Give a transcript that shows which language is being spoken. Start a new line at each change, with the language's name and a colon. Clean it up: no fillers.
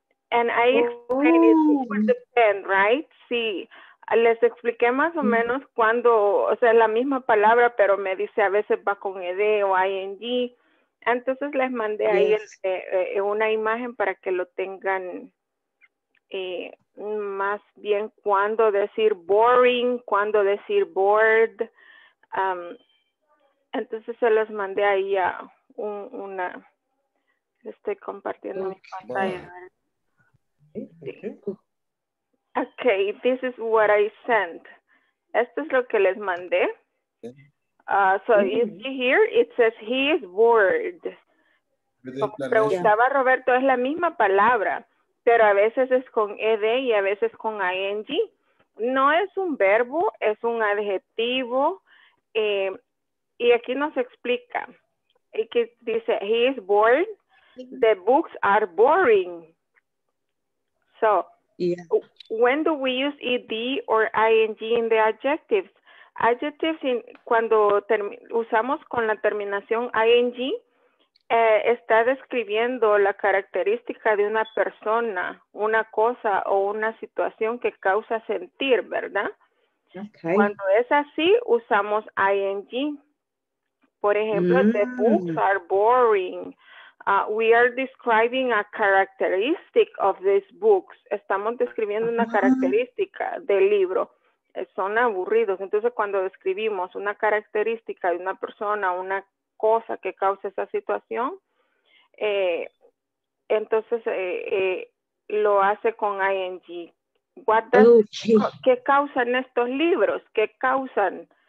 English: And I explained it for the pen, right?
Spanish: Sí, les expliqué más o menos cuando, o sea, la misma palabra, pero me dice a veces va con ed o ing. Entonces les mandé
English: yes.
Spanish: ahí una imagen para que lo tengan. Más bien cuando decir boring, cuando decir bored, entonces se los mandé ahí a una, estoy compartiendo mi pantalla.
English: Okay, this is what I sent.
Spanish: Esto es lo que les mandé.
English: So you see here, it says he is bored.
Spanish: Como preguntaba Roberto, es la misma palabra. Pero a veces es con ed y a veces con ing. No es un verbo, es un adjetivo. Y aquí nos explica. Aquí dice,
English: he is bored. The books are boring. So, yeah. When do we use ed or ing in the adjectives?
Spanish: Adjectives, cuando usamos con la terminación ing, está describiendo la característica de una persona, una cosa o una situación que causa sentir, ¿verdad?
English: Okay.
Spanish: Cuando es así, usamos ing. Por ejemplo,
English: the books are boring. We are describing a characteristic of these books.
Spanish: Estamos describiendo una característica del libro. Son aburridos. Entonces, cuando describimos una característica de una persona, una cosa que causa esa situación, entonces lo hace con ing.
English: What does,
Spanish: ¿qué causan estos libros? ¿Qué causan?